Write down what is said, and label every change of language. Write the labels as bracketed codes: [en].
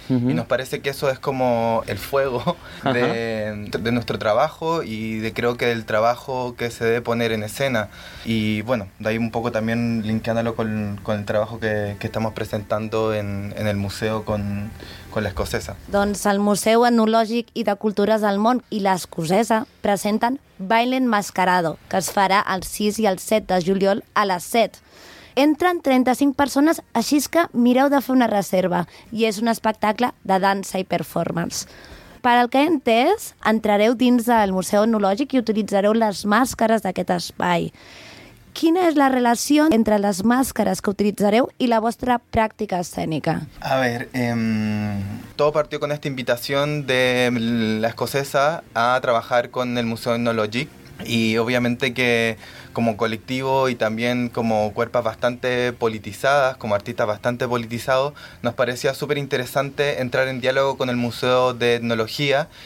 [es] Uh-huh. Y nos parece que eso es como el fuego de nuestro trabajo y de creo que del trabajo que se debe poner en escena. Y bueno, de ahí un poco también linkeándolo con el trabajo que estamos presentando en el museo con l'escocesa. [ca] Doncs el Museu Etnològic i de Cultures del Món i l'escocesa presenten Bailen Mascarado, que es farà el 6 i el 7 de juliol a les 7. Entren 35 persones, així que mireu de fer una reserva, i és un espectacle de dansa i performance. Per al que he entès, entrareu dins del Museu Etnològic i utilitzareu les màscares d'aquest espai. ¿Quina [es] es la relación entre las máscaras que utilizaréis y la vuestra práctica escénica? A ver, todo partió con esta invitación de la escocesa a trabajar con el Museo Etnologic y obviamente que como colectivo y también como cuerpos bastante politizadas, como artistas bastante politizados, nos parecía súper interesante entrar en diálogo con el Museo de Etnología,